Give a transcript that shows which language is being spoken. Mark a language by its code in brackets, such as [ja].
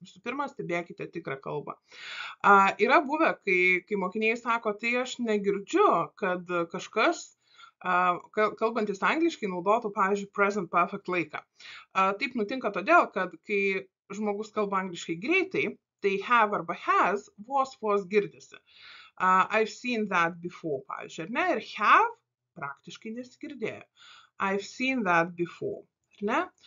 [lt] Visų pirma, stebėkite tikrą kalbą. Yra buvę, kai mokiniai sako, tai aš negirdžiu, kad kažkas, kalbantis angliškai, naudotų, pavyzdžiui, present perfect laiką. Taip nutinka todėl, kad kai žmogus kalba angliškai greitai, tai have arba has vos vos girdisi. [en] I've seen that before, [lt] pavyzdžiui, ar ne? Ir have praktiškai nesigirdėjo. [en] I've seen that before, [lt] ar ne?